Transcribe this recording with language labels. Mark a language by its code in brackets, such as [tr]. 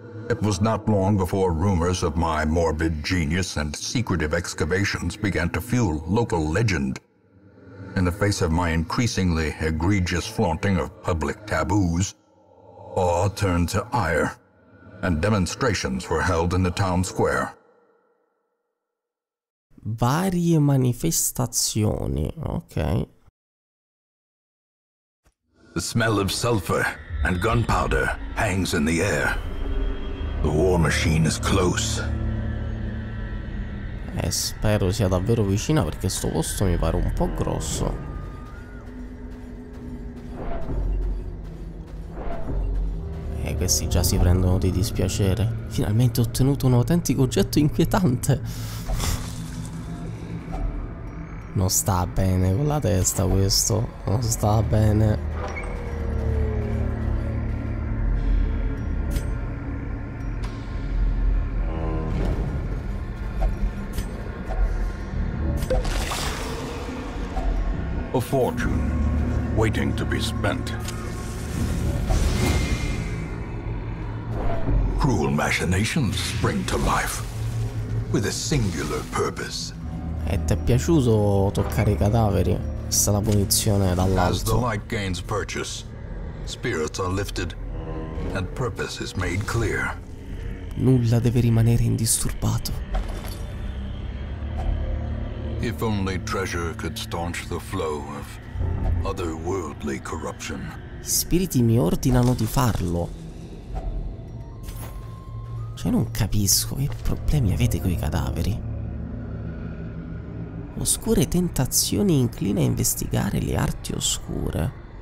[en] It was not long before rumors of my morbid genius and secretive excavations began to fuel local legend. In the face of my increasingly egregious flaunting of public taboos, awe turned to ire, and demonstrations were held in the town square. [it] Varie manifestazioni, ok. [en] The smell of sulfur and gunpowder hangs in the air. The war machine is close. [it] Spero sia davvero vicina, perché sto posto mi pare un po' grosso. Questi già si prendono di dispiacere. Finalmente ho ottenuto un autentico oggetto inquietante. Non sta bene con la testa questo. Non sta bene. [en] A fortune waiting to be spent. Cruel machinations spring to life with a singular purpose. [it] E ti è piaciuto toccare i cadaveri? Questa è la punizione dall'alto. [en] As the light gains purchase, spirits are lifted and purpose is made clear. [it] Nulla deve rimanere indisturbato. [en] If only treasure could staunch the flow of otherworldly corruption. [it] Gli spiriti mi ordinano di farlo. Cioè, non capisco che problemi avete coi cadaveri. Oscure tentazioni incline a investigare le arti oscure.